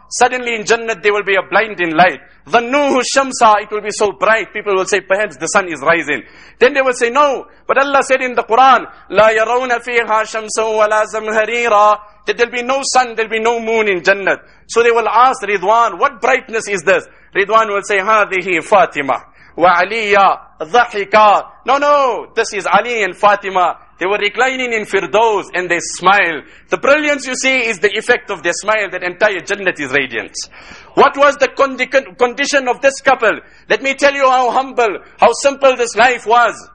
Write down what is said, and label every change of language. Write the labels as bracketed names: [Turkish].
[English] Suddenly in Jannat there will be a blinding light. [Arabic] ظَنُّوهُ الشَّمْسَ. [English] It will be so bright. People will say, perhaps the sun is rising. Then they will say, no. But Allah said in the Quran, [Arabic] لَا يَرَوْنَ فِيهَا شَمْسًا وَلَا زَمْهَرِيرًا. [English] That there'll be no sun, there'll be no moon in Jannat. So they will ask Ridwan, what brightness is this? Ridwan will say, [Arabic] هَذِهِ فَاتِمَا وَعَلِيَا ضَحِكَا. [English] No, this is Ali and Fatima. They were reclining in Firdaus and they smile. The brilliance you see is the effect of their smile. That entire Jannat is radiant. What was the condition of this couple? Let me tell you how humble, how simple this life was.